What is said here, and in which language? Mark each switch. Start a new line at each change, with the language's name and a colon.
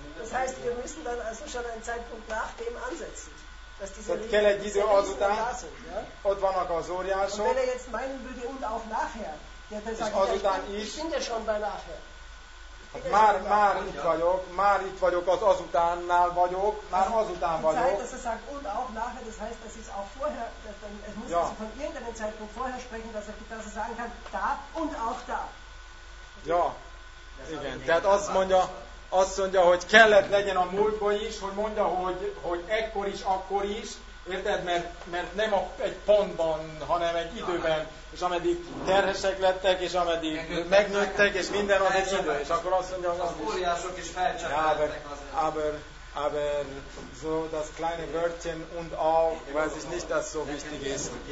German: Das heißt, wir müssen dann also schon einen Zeitpunkt nach dem ansetzen.
Hungarian: Tehát kell egy idő azután, ott vannak az óriások.
German: Und wenn jetzt meinen würde und auch nachher, ja, dann sage ich bin ja schon bei nachher.
Hungarian: Hát már itt vagyok, már itt vagyok, az azutánnál vagyok, már azután vagyok.
German: Zeit, dass er sagt, und auch nachher, das heißt, das ist auch vorher, es muss ja. Also von irgendeinem Zeitpunkt vorher sprechen, dass er sagen kann, da und auch da.
Hungarian: Ja, igen, tehát azt mondja, hogy kellett legyen a múltban is, hogy mondja, hogy ekkor is, akkor is, érted, mert nem egy pontban, hanem egy időben, és ameddig terhesek lettek, és ameddig megnőttek, és minden az egy idő, és akkor azt mondja, hogy az óriások is felcsapálták
German: az aber so das kleine Wörtchen und auch, weiß ich nicht, dass so wichtig ist.